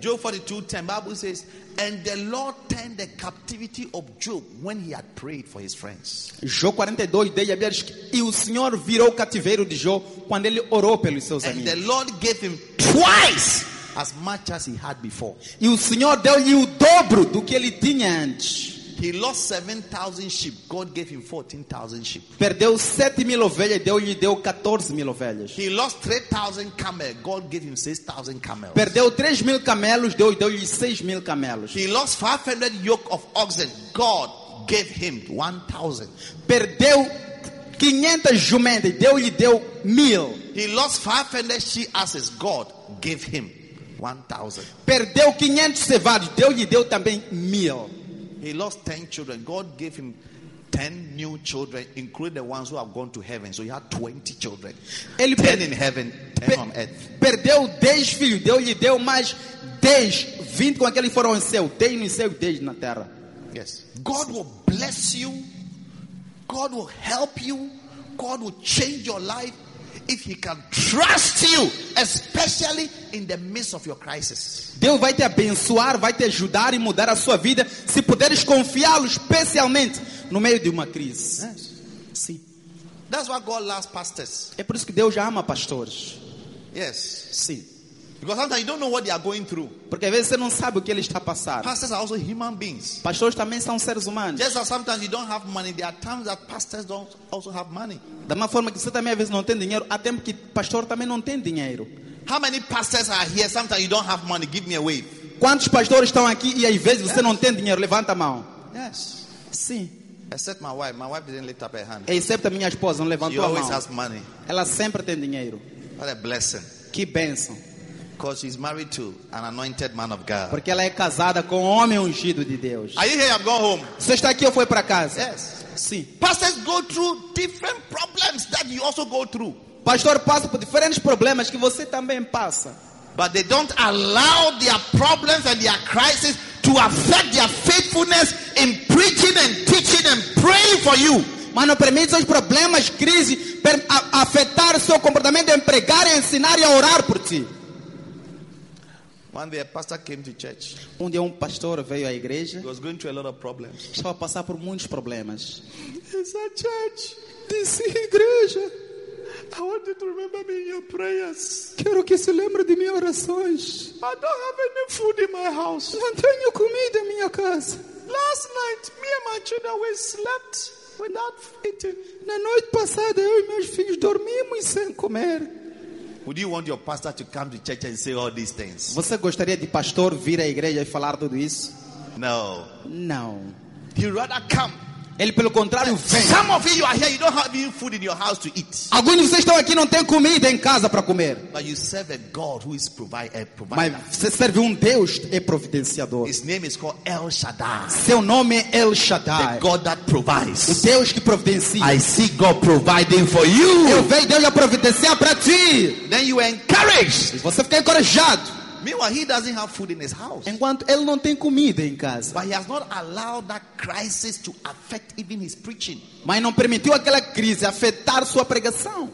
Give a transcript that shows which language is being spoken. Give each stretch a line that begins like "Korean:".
English: Job 42:10, Bible says, and the Lord turned the captivity of Job when he had prayed for his friends.
Portuguese: Jó 42:10, a Bíblia diz, e o Senhor virou o cativeiro de Jó quando ele orou pelos seus
English: and
Portuguese: amigos.
English: And the Lord gave him twice as much as he had before.
Portuguese: E o Senhor deu-lhe o dobro do que ele tinha antes.
English: He lost 7,000 sheep. God gave him 14,000 sheep.
Portuguese: Perdeu 7,000 ovelhas. Deus lhe deu 14,000 ovelhas.
English: He lost 3,000 camels. God gave him 6,000 camels.
Portuguese: Perdeu 3,000 camelos. Deus deu-lhe 6,000 camelos.
English: He lost 500 yoke of oxen. God gave him 1,000.
Portuguese: Perdeu 500 jumentas. Deus lhe deu 1,000.
English: He lost 500 sheep asses. God gave him 1,000.
Portuguese: Perdeu 500 cevados. Deus lhe deu também 1,000.
English: He lost 10 children. God gave him 10 new children, including the ones who have gone to heaven. So he had 20 children.
Portuguese: Ele
English: 10 in heaven, 10 on earth.
Portuguese: Perdeu 10 filhos. Deus lhe deu mais 10. 20 com aqueles que foram em céu. 10 no céu e 10 na terra.
English: Yes. God will bless you. God will help you. God will change your life. If he can trust you, especially in the midst of your crisis.
Portuguese: Deus vai te abençoar, vai te ajudar e mudar a sua vida se puderes confiá-lo especialmente no meio de uma crise.
English: Yes.
Portuguese: Sim.
English: That's why God loves pastors.
Portuguese: É por isso que Deus ama pastores.
English: Yes.
Portuguese: Sim.
English: Because sometimes you don't know what they are going through.
Portuguese: Porque às vezes você não sabe o que ele está passando.
English: Pastors are also human beings.
Portuguese: Pastores também são seres humanos.
English: Just as sometimes you don't have money, there are times that pastors don't also have money.
Portuguese: Da mesma forma que você também às vezes não tem dinheiro, há tempo que pastor também não tem dinheiro.
English: How many pastors are here? Sometimes you don't have money. Give me a wave.
Portuguese: Quantos pastores estão aqui e às vezes você não tem dinheiro? Levanta a mão.
English: Yes.
Portuguese: Sim.
English: Except my wife. My wife didn't lift up her hand.
Portuguese: Excepto a minha esposa, não levantou
English: She always has money.
Portuguese: Ela sempre tem dinheiro.
English: What a blessing.
Portuguese: Que bênção.
English: Because she's married to an anointed man of God.
Portuguese: Porque ela é casada com um homem ungido de Deus.
English: Are you here? I'm going home.
Portuguese: Você está aqui ou foi para casa?
English: Yes.
Portuguese: Sim.
English: Pastors go through different problems that you also go through.
Portuguese: Pastor passa por diferentes problemas que você também passa.
English: But they don't allow their problems and their crises to affect their faithfulness in preaching and teaching and praying for you.
Portuguese: Mas não permite seus problemas, crise, afetar seu comportamento em pregar, em ensinar e a orar por ti.
English: One day a pastor came to church.
Portuguese: Um dia pastor veio à igreja.
English: He was going through a lot of problems.
Portuguese: Estava a passar por muitos problemas.
English: It's a church. This is igreja. I want you to remember me in your prayers.
Portuguese: Quero que se lembre de minhas orações.
English: I don't have any food in my house.
Portuguese: Não tenho comida em minha casa.
English: Last night, me and my children, we slept without eating.
Portuguese: Na noite passada, eu e meus filhos dormimos sem comer.
English: Would you want your pastor to come to church and say all these things?
Portuguese: Você gostaria de pastor vir à igreja e falar tudo isso?
English: No.
Portuguese: No.
English: He'd rather come.
Portuguese: Ele pelo contrário vem.
English: Some of you are here, you don't have any food in your house to eat.
Portuguese: Alguns de vocês estão aqui não tem comida em casa para comer.
English: But you serve a God who is provider.
Portuguese: Mas você serve Deus é providenciador.
English: His name is called El Shaddai.
Portuguese: Seu nome é El Shaddai.
English: The God that provides.
Portuguese: O Deus que providencia.
English: I see God providing for you.
Portuguese: Eu vejo Deus a providenciar para ti.
English: Then you are encouraged.
Portuguese: Você fica encorajado.
English: Meanwhile, he doesn't have food in his house.
Portuguese: Enquanto ele não tem comida em casa.
English: But he has not allowed that crisis to affect even his preaching.
Portuguese: Mas não permitiu aquela crise afetar sua pregação.